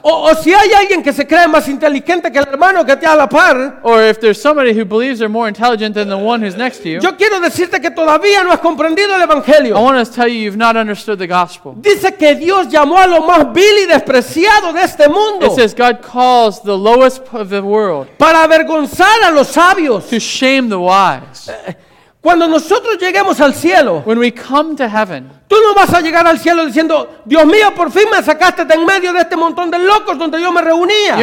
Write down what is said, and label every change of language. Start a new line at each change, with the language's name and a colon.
Spanish: O si hay alguien que se cree más inteligente que el hermano que te da la par.
English: Or if there's somebody who believes they're more intelligent than the one who's next to you.
Spanish: Yo quiero decirte que todavía no has comprendido el evangelio.
English: I want to tell you you've not understood the gospel.
Spanish: Dice que Dios llamó a lo más vil y despreciado de este mundo.
English: It says God calls the lowest of the world
Spanish: para avergonzar a los sabios,
English: to shame the wise.
Spanish: Cuando nosotros lleguemos al cielo,
English: when we come to heaven,
Spanish: tú no vas a llegar al cielo diciendo, Dios mío, por fin me sacaste de en medio de este montón de locos donde yo me reunía.